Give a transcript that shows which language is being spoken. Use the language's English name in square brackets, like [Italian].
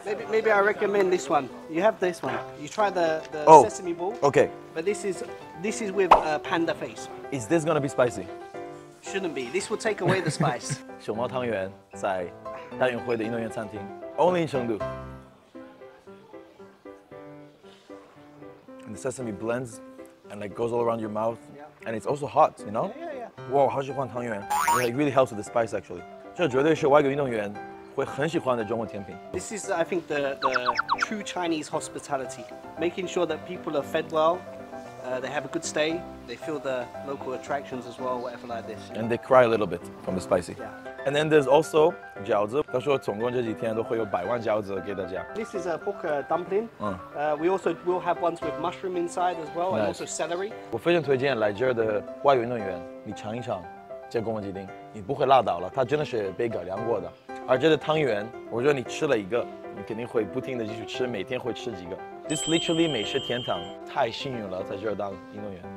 [English] Maybe I recommend this one. You have this one. You try the sesame ball. Okay. But this is with a panda face. Is this gonna be spicy? Shouldn't be. This will take away the spice. [Chinese] 熊猫汤圆在大运会的运动员餐厅 ， [English] only in Chengdu. And the sesame blends, and like goes all around your mouth, and it's also hot, you know? Yeah. Wow, [Chinese] 好喜欢汤圆 [English] It like really helps with the spice actually. [Chinese] 这绝对是外国运动员。会很喜欢的中国甜品。 [English] This is, I think, the true Chinese hospitality. Making sure that people are fed well, they have a good stay, they feel the local attractions as well, whatever like this. And they cry a little bit from the spicy. Yeah. And then there's also 饺子。 [Chinese] 他说总共这几天都会有百万饺子给大家。 [English] This is a pork dumpling. We also will have ones with mushroom inside as well, and also celery. [Chinese] 我非常推荐来这儿的外国运动员，你尝一尝这宫保鸡丁，你不会辣倒了，它真的是被改良过的。而这个汤圆，我觉得你吃了一个，你肯定会不停的继续吃，每天会吃几个。 [English] This literally [Chinese] 美食天堂，太幸运了，在这儿当运动员。